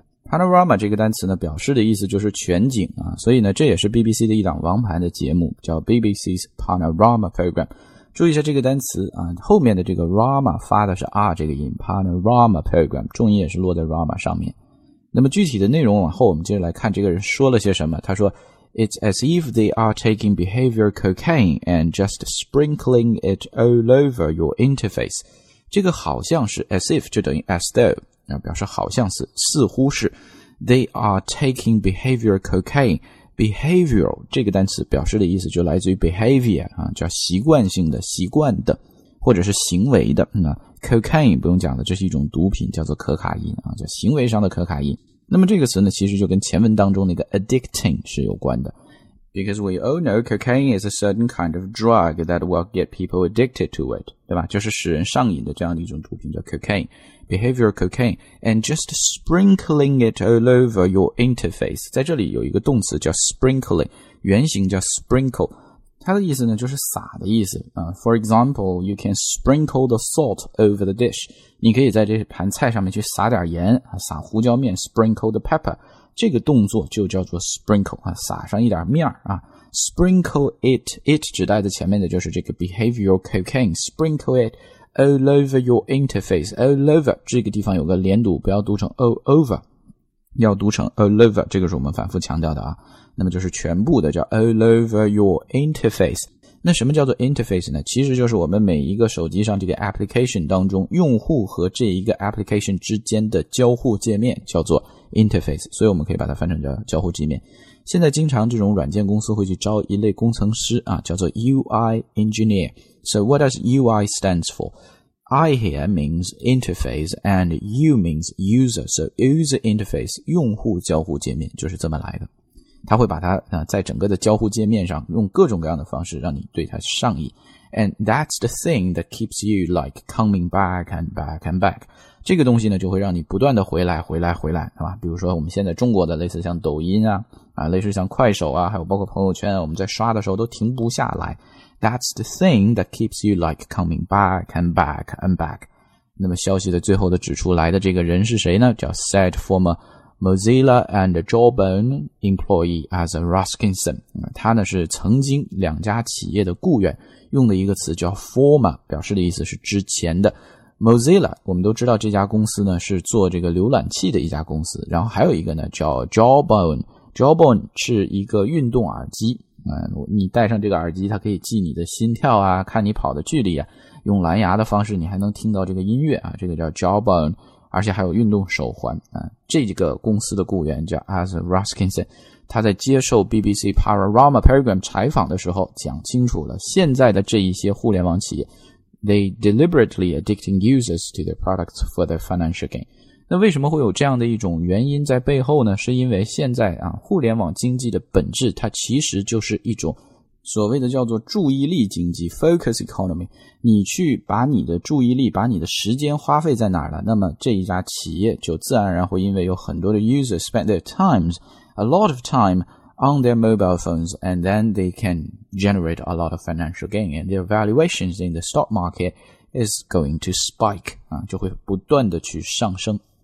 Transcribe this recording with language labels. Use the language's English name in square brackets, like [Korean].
[Chinese] Panorama 这个单词呢表示的意思就是全景啊，所以呢这也是 BBC 的一档王牌的节目叫 BBC's Panorama Program。注意一下这个单词啊，后面的这个 Rama 发的是 R 这个音， Panorama Program， 重音也是落在 Rama 上面。那么具体的内容往后我们接着来看这个人说了些什么，他说 [English] It's as if they are taking behavior cocaine and just sprinkling it all over your interface。 [Chinese] 这个好像是 as if 就等于 as though，表示好像是，似乎是。 [English] They are taking behavior cocaine。 [Chinese] Behavioral 这个单词表示的意思就来自于 behavior、叫习惯性的，习惯的或者是行为的、cocaine 不用讲的，这是一种毒品，叫做可卡因、叫行为上的可卡因。那么这个词呢其实就跟前文当中那个 addicting 是有关的。 [English] Because we all know cocaine is a certain kind of drug that will get people addicted to it， [Chinese] 对吧，就是使人上瘾的这样的一种毒品叫 [English] cocaineBehavioral cocaine and just sprinkling it all over your interface。 [Chinese] 在这里有一个动词叫 sprinkling， 原型叫 sprinkle， 它的意思呢就是撒的意思、 [English] For example you can sprinkle the salt over the dish， [Chinese] 你可以在这盘菜上面去撒点盐，撒胡椒面， [English] sprinkle the pepper， [Chinese] 这个动作就叫做 sprinkle、撒上一点面、 sprinkle it， it 指代的前面的就是这个 behavioral cocaine， [English] sprinkle itAll over your interface, [Chinese] all over, 这个地方有个连读，不要读成 all over, 要读成 all over, 这个是我们反复强调的啊。那么就是全部的叫 all over your interface。那什么叫做 interface 呢？其实就是我们每一个手机上这个 application 当中，用户和这一个 application 之间的交互界面叫做 interface, 所以我们可以把它翻成叫交互界面。现在经常这种软件公司会去招一类工程师啊，叫做 UI Engineer。 [English] So what does UI stands for? I here means interface and U means user. So user interface, [Chinese] 用户交互界面就是这么来的。他会把它、在整个的交互界面上用各种各样的方式让你对它上瘾。 [English] And that's the thing that keeps you like coming back and back and back. [Chinese] 这个东西呢就会让你不断的回来回来回来，是吧？比如说我们现在中国的类似像抖音 类似像快手啊，还有包括朋友圈，我们在刷的时候都停不下来。 [English] That's the thing that keeps you like coming back and back and back. [Chinese] 那么消息的最后的指出来的这个人是谁呢？叫 [English] said former Mozilla and Jawbone employee as a Ruskinson、 [Chinese] 他呢是曾经两家企业的雇员，用的一个词叫 former， 表示的意思是之前的。 Mozilla 我们都知道这家公司呢是做这个浏览器的一家公司，然后还有一个呢叫 Jawbone， Jawbone 是一个运动耳机，你戴上这个耳机它可以记你的心跳啊，看你跑的距离啊，用蓝牙的方式你还能听到这个音乐啊，这个叫 Jawbone， 而且还有运动手环啊。这个公司的雇员叫 Arthur Ruskinson， 他在接受 BBC Panorama Program 采访的时候讲清楚了，现在的这一些互联网企业 [English] They deliberately addicting users to their products for their financial gain。 [Chinese] 那为什么会有这样的一种原因在背后呢？是因为现在啊，互联网经济的本质它其实就是一种所谓的叫做注意力经济 focus economy。你去把你的注意力把你的时间花费在哪儿了，那么这一家企业就自然而然会因为有很多的 [English] users spend their times a lot of time on their mobile phones and then they can generate a lot of financial gain and their valuations in the stock marketis going to spike, [Chinese] 就会不断的去上升。